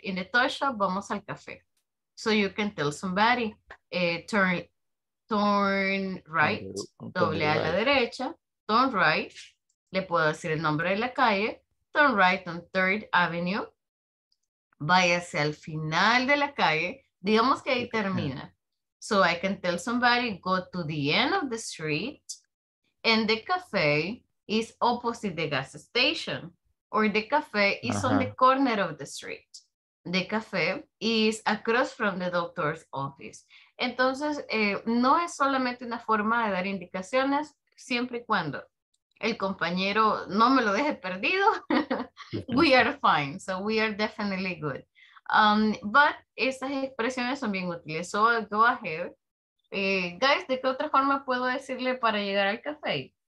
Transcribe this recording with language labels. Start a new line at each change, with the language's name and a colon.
English: In the toy shop,
Spanish: vamos al café.
English: So, you can tell somebody, turn right,
Spanish: doble a la derecha,
English: turn right.
Spanish: Le puedo decir el nombre de la calle,
English: turn right on 3rd Avenue.
Spanish: Váyase al final de la calle. Digamos que ahí termina.
English: So, I can tell somebody, go to the end of the street and the café is opposite the gas station, or the cafe is uh-huh. on the corner of the street. The cafe is across from the doctor's office.
Spanish: Entonces, no es solamente una forma de dar indicaciones, siempre y cuando el compañero no me lo deje perdido.
English: We are fine, so we are definitely good. But
Spanish: esas expresiones son bien útiles.
English: So go ahead.
Spanish: Guys, ¿de qué otra forma puedo decirle para llegar al café?